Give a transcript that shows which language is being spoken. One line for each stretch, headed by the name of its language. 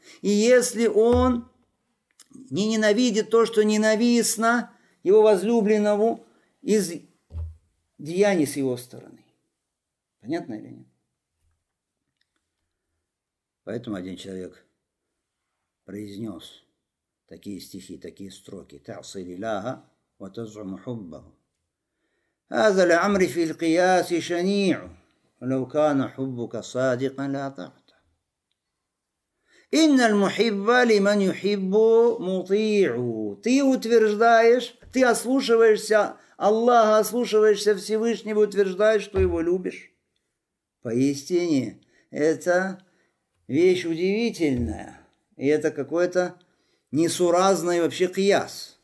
Russian: И если он не ненавидит то, что ненавистно его возлюбленному из деяний с его стороны. Понятно или нет? Поэтому один человек произнес такие стихи, такие строки.
Arabic: «Та'си лиллаха ва таз'уму хуббаху». هذا العمر في القياس شنيع ولو كان حبك صادقا لا طعت إن المحب لمن يحب مطيع.
Russian: Ты утверждаешь, ты ослушиваешься Аллаха, ослушиваешься Всевышнего, утверждаешь, что его любишь. Поистине, это вещь удивительная. И это какое-то несуразное вообще кияс.